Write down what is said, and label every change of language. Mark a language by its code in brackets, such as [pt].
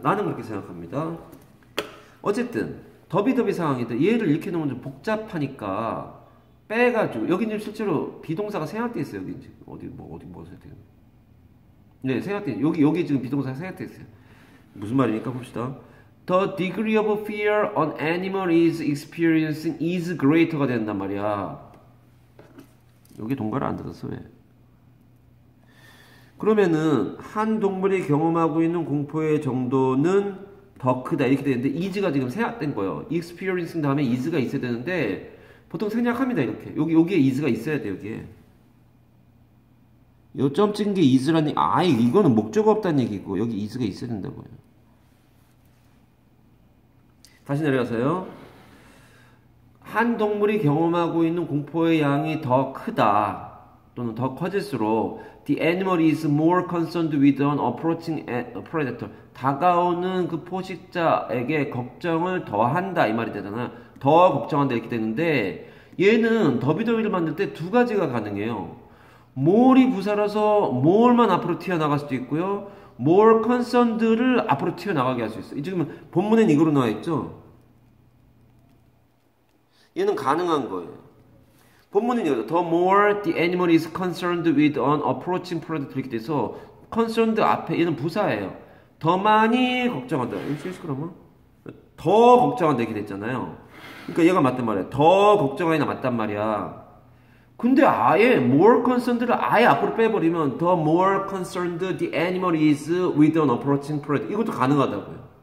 [ko] 나는 그렇게 생각합니다. 어쨌든 더비더비 상황인데 얘를 이렇게 놓으면 좀 복잡하니까 빼가지고 여기 지금 실제로 비동사가 생략돼 있어요. 여기 지금 어디 무엇을 해야 되는? 네, 생략돼 여기 지금 비동사가 생략돼 있어요. 무슨 말입니까? 봅시다. [en] The degree of fear an animal is experiencing is greater가 된단 말이야. [ko] 여기 동그라미 안 들었어 왜? 그러면은 한 동물이 경험하고 있는 공포의 정도는 더 크다 이렇게 되는데 is가 지금 생략된 거예요. experiencing 다음에 is가 있어야 되는데 보통 생략합니다 이렇게. 여기에 is가 있어야 돼요 여기에. 요점 찍은 게 is라니 아 이거는 목적어 없다는 얘기고 여기 is가 있어야 된다고요. 다시 내려가서요. 한 동물이 경험하고 있는 공포의 양이 더 크다 또는 더 커질수록 [en] The animal is more concerned with an approaching predator. [ko] 다가오는 그 포식자에게 걱정을 더한다 이 말이 되잖아. 더 걱정한다 이렇게 되는데 얘는 더비더비를 만들 때두 가지가 가능해요. more이 부사라서 more만 앞으로 튀어나갈 수도 있고요. more concerned를 앞으로 튀어나가게 할수 있어요. 지금 본문엔 이걸로 나와 있죠. 얘는 가능한 거예요. 본문은 이거죠. [en] The more the animal is concerned with an approaching predator 이렇게 돼서 concerned 앞에 얘는 부사예요. [ko] 더 많이 걱정한다. 이거 실수 그러면 더 걱정한다 이렇게 됐잖아요. 그러니까 얘가 맞단 말이야. 더 걱정하니 맞단 말이야. 근데 아예 more concerned를 아예 앞으로 빼버리면 [en] The more concerned the animal is with an approaching predator [ko] 이것도 가능하다고요.